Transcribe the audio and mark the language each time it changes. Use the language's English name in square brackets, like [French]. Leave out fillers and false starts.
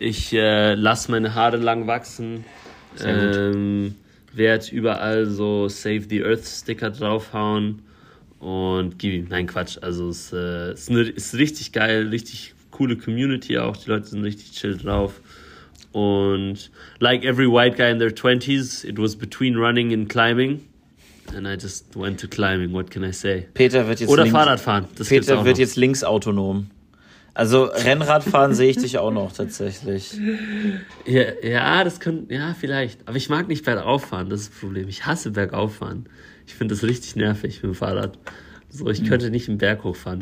[German] Ich lasse meine Haare lang wachsen. Sehr gut. Werde überall so Save the Earth-Sticker draufhauen. Und gib ihm, nein, Quatsch. Also es ist richtig geil, richtig coole Community auch. Die Leute sind richtig chill drauf. [English] Und like every white guy in their 20s, it was between running and climbing. And I just went to climbing, what can I say? [German] Peter wird jetzt oder Fahrradfahren. Das Peter gibt's auch wird noch. Jetzt linksautonom. Also Rennradfahren sehe ich dich auch noch tatsächlich. Ja, vielleicht. Aber ich mag nicht bergauffahren, das ist das Problem. Ich hasse bergauffahren. Ich finde das richtig nervig mit dem Fahrrad. So, ich könnte nicht einen Berg hochfahren.